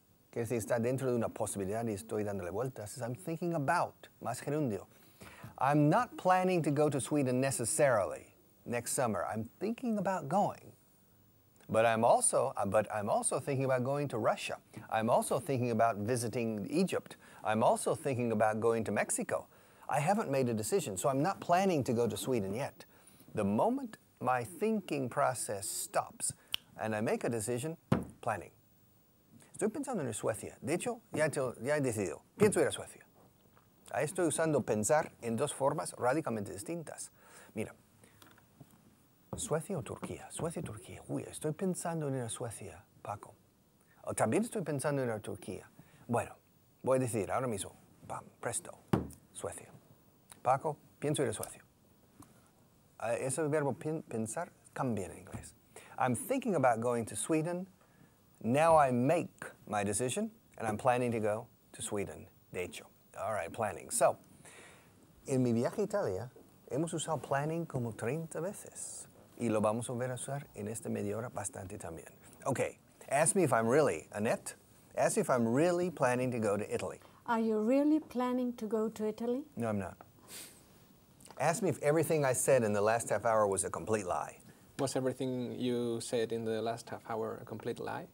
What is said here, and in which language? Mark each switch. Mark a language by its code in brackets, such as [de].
[es] Quiere decir, está dentro de una posibilidad y estoy dándole vueltas. [en] I'm thinking about, [es] más gerundio. [en] I'm not planning to go to Sweden necessarily next summer. I'm thinking about going. But I'm also thinking about going to Russia. I'm also thinking about visiting Egypt. I'm also thinking about going to Mexico. I haven't made a decision, so I'm not planning to go to Sweden yet. The moment my thinking process stops and I make a decision, planning. [es] Estoy pensando en Suecia. De hecho, ya he decidido. Pienso ir a Suecia. Ahí estoy usando pensar en dos formas radicalmente distintas. Mira. Suecia o Turquía. Suecia o Turquía. Uy, estoy pensando en ir a Suecia, Paco. O también estoy pensando en ir a Turquía. Bueno, voy a decidir ahora mismo. Pam, presto. Suecia. Paco, pienso ir a Suecia. Ese verbo pensar cambia en inglés. [en] I'm thinking about going to Sweden. Now I make my decision, and I'm planning to go to Sweden, [es] de hecho. [en] All right, planning. [es] So, en mi viaje a Italia, hemos usado planning como 30 veces. Y lo vamos a volver a usar en esta media hora bastante también. [en] Okay, ask me if I'm really, Annette, ask me if I'm really planning to go to Italy. Are you really planning to go to Italy? No, I'm not. Ask me if everything I said in the last half hour was a complete lie. Was everything you said in the last half hour a complete lie?